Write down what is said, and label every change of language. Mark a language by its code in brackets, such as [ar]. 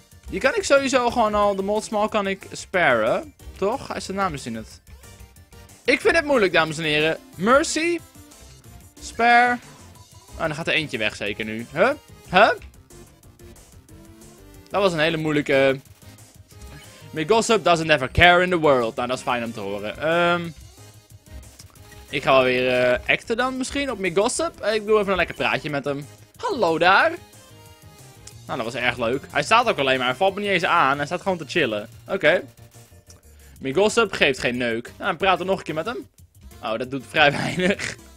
[nl] Die kan ik sowieso gewoon al... De mold small kan ik sparen. Toch? Hij is de naam misschien het. Ik vind het moeilijk, dames en heren. Mercy. Spare. Oh, dan gaat er eentje weg zeker nu. Huh? Huh? Dat was een hele moeilijke... [en] Migossip doesn't ever care in the world. [nl] Nou, dat is fijn om te horen. Ik ga wel weer acten dan misschien op Migossip. Ik doe even een lekker praatje met hem. Hallo daar. Nou, dat was erg leuk. Hij staat ook alleen maar. Hij valt me niet eens aan. Hij staat gewoon te chillen. Oké. Okay. Migossip geeft geen neuk. Nou, dan praat er nog een keer met hem. Oh, dat doet vrij weinig.